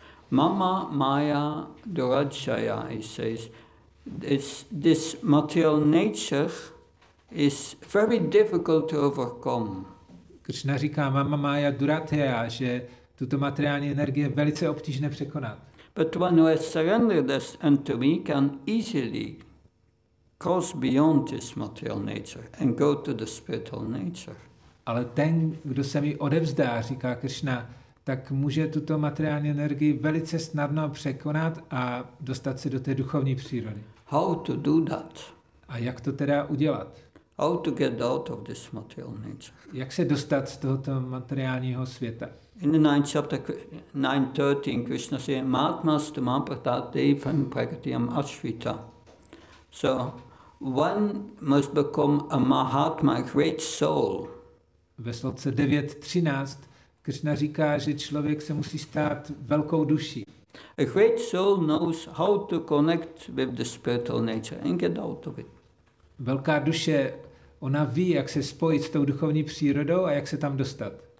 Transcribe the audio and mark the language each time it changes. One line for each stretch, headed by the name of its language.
English: Mama Maya Durajaya, he says, this material nature is very difficult to overcome.
Czech: Krishna říká Mama Maya Durajaya, že tuto materiální energie je velice obtížné překonat.
English: But one who has surrendered this unto me can easily cross beyond this material nature and go to the spiritual nature.
Czech: Ale ten, kdo se mi odevzdá, říká Krishna, tak může tuto materiální energii velice snadno překonat a dostat se do té duchovní přírody.
English: How to do that?
Czech: A jak to teda udělat?
English: How to get out of this material nature?
Czech: Jak se dostat z tohoto materiálního světa?
English: In the ninth chapter, 9:13, Krishna says,
Sanskrit: "Matmastu mapratadevam prakatiyam ashvita."
English: So, one must become a mahatma, a great soul.
Czech: Ve sloce 9:13 Krishna říká, že člověk se musí stát velkou duší.
English: A great soul knows how to connect with the spiritual nature and get out of it.
Czech: Velká duše, ona ví, jak se spojit s tou duchovní přírodou a jak se tam dostat.